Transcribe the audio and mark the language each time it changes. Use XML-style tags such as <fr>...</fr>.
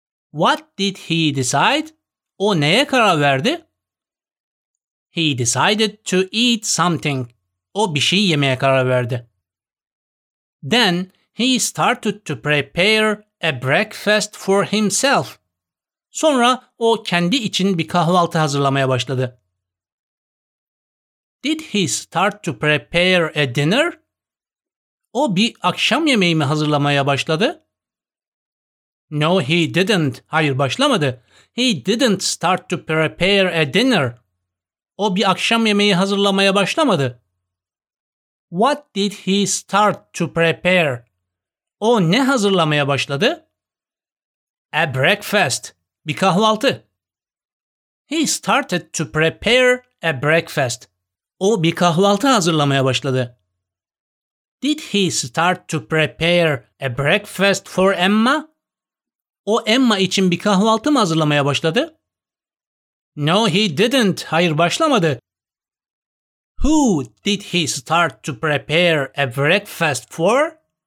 <en>What did he decide?</en> <tr>O neye karar verdi?</tr> <en>He decided to eat something.</en> <tr>O bir şey yemeye karar verdi.</tr> <en>Then he started to prepare a breakfast for himself.</en> <tr>Sonra o kendi için bir kahvaltı hazırlamaya başladı.</tr> <en>Did he start to prepare a dinner?</en> <tr>O bir akşam yemeği mi hazırlamaya başladı?</tr> <en>No, he didn't.</en> <tr>Hayır, başlamadı.</tr> <en>He didn't start to prepare a dinner.</en> <tr>O bir akşam yemeği hazırlamaya başlamadı.</tr> <en>What did he start to prepare?</en> <tr>O ne hazırlamaya başladı?</tr> <en>A breakfast.</en> <tr>Bir kahvaltı.</tr> <en>He started to prepare a breakfast.</en> <tr>O bir kahvaltı hazırlamaya başladı.</tr> <en>Did he start to prepare a breakfast for Emma?</en> <tr>O Emma için bir kahvaltı mı hazırlamaya başladı?</tr> <en>No, he didn't.</en> <tr>Hayır, başlamadı.</tr> <en>Who did he start to prepare a breakfast for?</en>